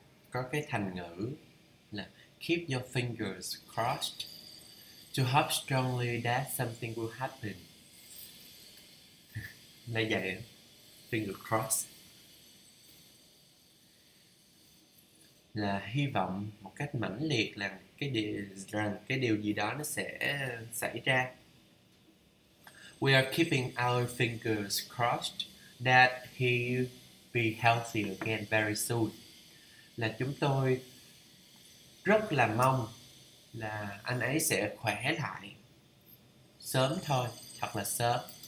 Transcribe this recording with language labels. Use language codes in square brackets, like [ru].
[vi] Có cái thành ngữ là [en] keep your fingers crossed, to hope strongly that something will happen. [vi] Là vậy, finger crossed là hy vọng một cách mãnh liệt rằng cái điều gì đó nó sẽ xảy ra. [en] We are keeping our fingers crossed that he'll be healthy again very soon. [vi] Là chúng tôi rất là mong là anh ấy sẽ khỏe lại sớm thôi, thật là sớm.